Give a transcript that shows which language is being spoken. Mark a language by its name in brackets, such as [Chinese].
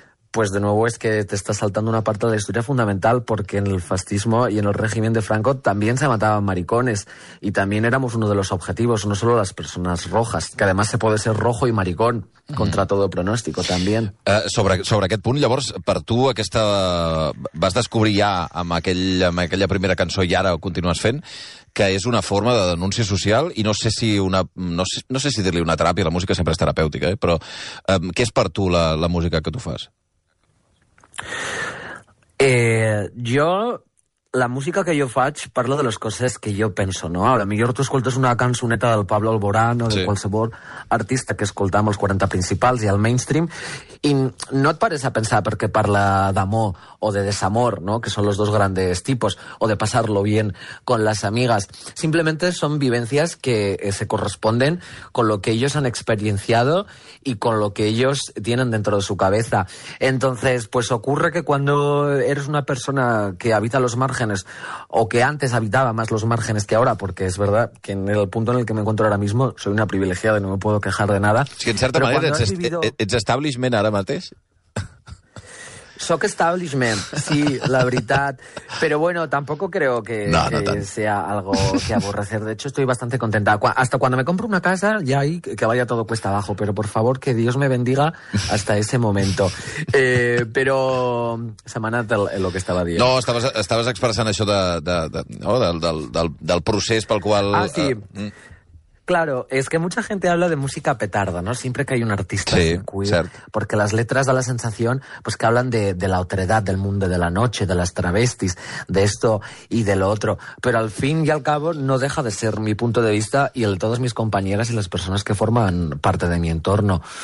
[Spanish] pues de nuevo es que te estás saltando una parte de la historia fundamental, porque en el fascismo y en el régimen de Franco también se mataban maricones y también éramos uno de los objetivos, no solo las personas rojas, que además se puede ser rojo y maricón contra todo pronóstico también. [Catalan] Sobre aquest punt, llavors, per tu aquesta... vas descobrir ja amb aquella primera cançó i ara ho continues fent, que és una forma de denúncia social, i no sé si una, no sé si dir-li una teràpia, la música sempre és terapèutica, però què és per tu la música que tu fas? Jo, la música que jo faig parla de les coses que jo penso, no? A lo millor tu escoltes una cançoneta del Pablo Alborán o de qualsevol artista que escoltam els 40 principals i el mainstream, i no et pares a pensar perquè parla d'amor o de desamor, no? Que són els dos grans tipus, o de passar-lo bé con les amigues. Simplement són vivències que [Spanish] se corresponden con lo que ellos han experienciado y con lo que ellos tienen dentro de su cabeza. Entonces, pues ocurre que cuando eres una persona que habita los márgenes, o que antes habitaba más los márgenes que ahora, porque es verdad que en el punto en el que me encuentro ahora mismo soy una privilegiada y no me puedo quejar de nada. Sí, en cierta manera, [Catalan] ets establishment ara mateix. Soc establishment, sí, la veritat. Però [Spanish] bueno, tampoco creo que, no, que no sea algo que aborrecer. De hecho, estoy bastante contenta. Hasta cuando me compro una casa, ya hay que vaya todo cuesta abajo. Pero por favor, que Dios me bendiga hasta ese momento. [Catalan] Però, Samanat, el que estava dient. No, estaves expressant això del procés pel qual... Ah, sí. [Spanish] Claro, es que mucha gente habla de música petarda, ¿no? Siempre que hay un artista queer. [Catalan] Cert. [Spanish] Porque las letras dan la sensación, pues, que hablan de la otredad, del mundo de la noche, de las travestis, de esto y de lo otro. Pero al fin y al cabo no deja de ser mi punto de vista y el de todas mis compañeras y las personas que forman parte de mi entorno.